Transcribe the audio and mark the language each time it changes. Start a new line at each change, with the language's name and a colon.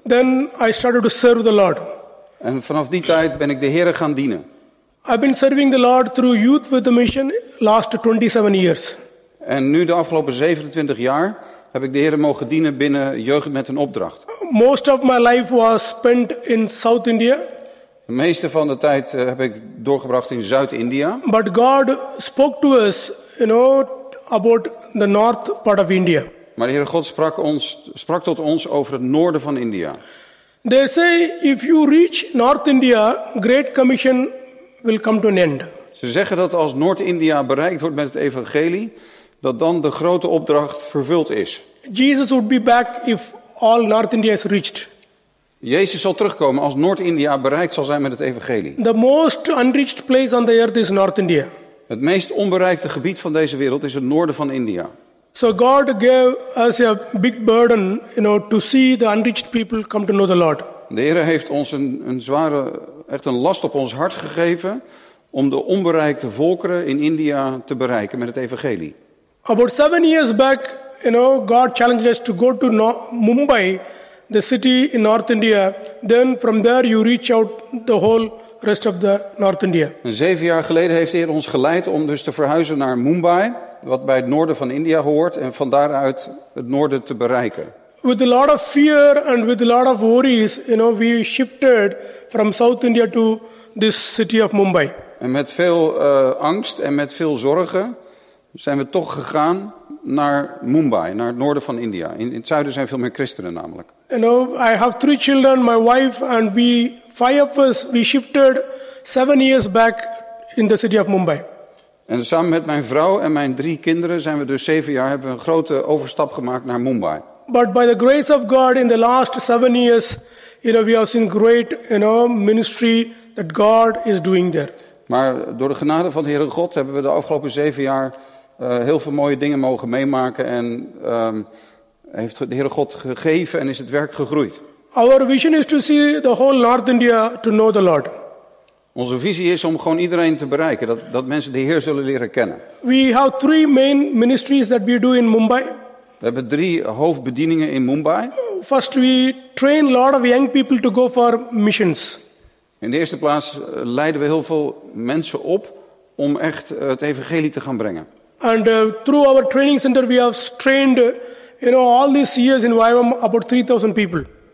English: Then I started to serve the Lord.
Dutch: En vanaf die tijd ben ik de Heer gaan dienen.
English: I've been serving the Lord through youth with the mission last 27 years.
Dutch: En nu de afgelopen 27 jaar heb ik de Heer mogen dienen binnen jeugd met een opdracht.
English: Most of my life was spent in South India.
Dutch: De meeste van de tijd heb ik doorgebracht in Zuid-India.
English: But God spoke to us, you know, about the north part of India.
Dutch: Maar de Heere God sprak tot ons over het noorden van India.
English: They say if you reach North India, Great Commission will come to an end.
Dutch: Ze zeggen dat als Noord-India bereikt wordt met het evangelie, dat dan de grote opdracht vervuld is.
English: Jesus would be back if all North India is reached.
Dutch: Jezus zal terugkomen als Noord-India bereikt zal zijn met het evangelie.
English: The most unreached place on the earth is North India.
Dutch: Het meest onbereikte gebied van deze wereld is het noorden van India.
English: So God gave us a big burden, you know, to see the unreached people come to know the Lord.
Dutch: De Heer heeft ons een last op ons hart gegeven om de onbereikte volkeren in India te bereiken met het evangelie.
English: About 7 years back, you know, God challenged us to go to Mumbai, the city in North India. Then from there you reach out the whole rest of the North India.
Dutch: 7 jaar geleden heeft de Heer ons geleid om dus te verhuizen naar Mumbai, wat bij het noorden van India hoort, en van daaruit het noorden te bereiken.
English: With a lot of fear and with a lot of worries, you know, we shifted from South India to this city of Mumbai.
Dutch: En met veel angst en met veel zorgen zijn we toch gegaan naar Mumbai, naar het noorden van India. In het zuiden zijn veel meer christenen namelijk.
English: You know, I have 3 children, my wife, and we, 5 of us, we shifted 7 years back in the city of Mumbai.
Dutch: En samen met mijn vrouw en mijn 3 kinderen zijn we dus 7 jaar hebben we een grote overstap gemaakt naar Mumbai.
English: But by the grace of God, in the last 7 years, you know, we have seen great, you know, ministry that God is doing there.
Dutch: Maar door de genade van de Heere God hebben we de afgelopen 7 jaar heel veel mooie dingen mogen meemaken en heeft de Heere God gegeven en is het werk gegroeid.
English: Our vision is to see the whole North India to know the Lord.
Dutch: Onze visie is om gewoon iedereen te bereiken, dat mensen de Heer zullen leren kennen.
English: We have 3 main ministries that we do in Mumbai.
Dutch: We hebben 3 hoofdbedieningen in Mumbai.
English: First, we train a lot of young people to go for missions.
Dutch: In de eerste plaats leiden we heel veel mensen op om echt het evangelie te gaan brengen.
English: And through our training center, we have trained, you know, all these years in YWAM about 3,000 people.